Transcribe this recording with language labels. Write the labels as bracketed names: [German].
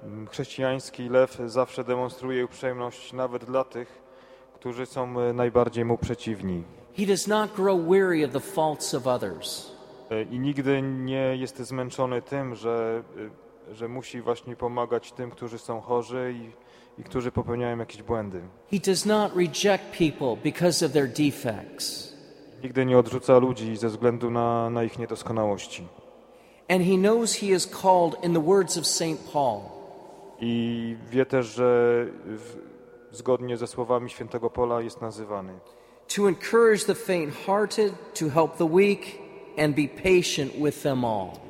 [Polish] Chrześcijański lew zawsze demonstruje uprzejmość nawet dla tych, którzy są najbardziej mu przeciwni. [English] He does not grow weary of the faults of others. [Polish] I nigdy nie jest zmęczony tym, że musi właśnie pomagać tym, którzy są chorzy i którzy popełniają jakieś błędy. [English] He does not reject people because of their defects. [Polish] Nigdy nie odrzuca ludzi ze względu na ich niedoskonałości. [English] And he knows he is called in the words of St. Paul. [Polish] I wie też, że zgodnie ze słowami świętego Pola jest nazywany. [English] To encourage the faint-hearted, to help the weak, and be patient with them all.